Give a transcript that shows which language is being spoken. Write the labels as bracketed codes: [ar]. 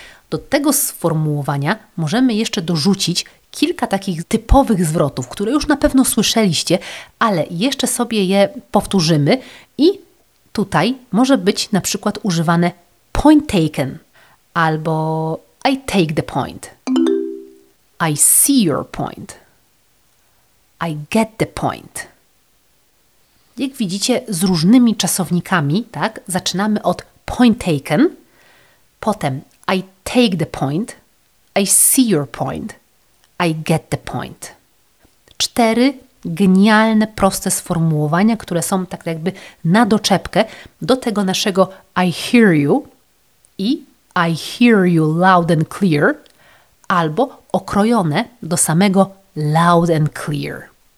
[pl] Do tego sformułowania możemy jeszcze dorzucić kilka takich typowych zwrotów, które już na pewno słyszeliście, ale jeszcze sobie je powtórzymy i tutaj może być na przykład używane [en] point taken [pl] albo [en] I take the point, I see your point. I get the point. [pl] Jak widzicie, z różnymi czasownikami, tak? Zaczynamy od [en] point taken, [pl] potem [en] I take the point, [pl] I see your point, I get the point. Cztery genialne, proste sformułowania, które są tak jakby na doczepkę do tego naszego [en] I hear you [pl] i [en] I hear you loud and clear, [pl] albo okrojone do samego [en] loud and clear.